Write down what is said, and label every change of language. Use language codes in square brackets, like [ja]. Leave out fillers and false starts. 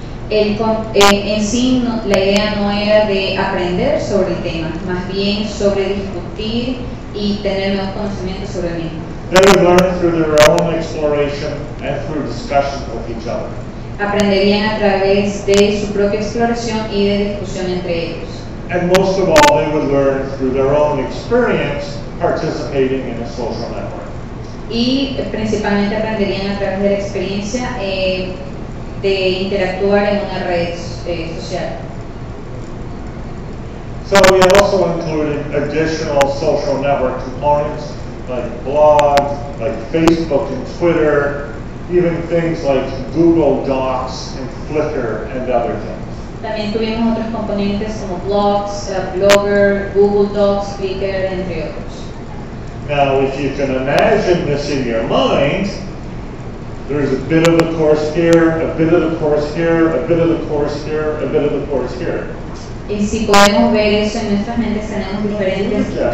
[es] En sí, la idea no era de aprender sobre el tema, más bien sobre discutir y tener nuevos conocimientos sobre el mismo. [en] They would learn through their own exploration and through discussion with each other. [es] Aprenderían a través de su propia exploración y de discusión entre ellos. [en] And most of all, they would learn through their own experience participating in a social network. [es] Y principalmente aprenderían a través de la experiencia de interactuar en una red social. [en] So we also included additional social network components like blogs, like Facebook and Twitter, even things like Google Docs and Flickr and other things. [es] También tuvimos otros componentes como blogs, Blogger, Google Docs, Flickr, entre otros. [en] Now, if you can imagine this in your mind, there's a bit of the course here, a bit of the course here, a bit of the course here, a bit of the course here. [es] Y si podemos ver eso en nuestras mentes, tenemos diferentes.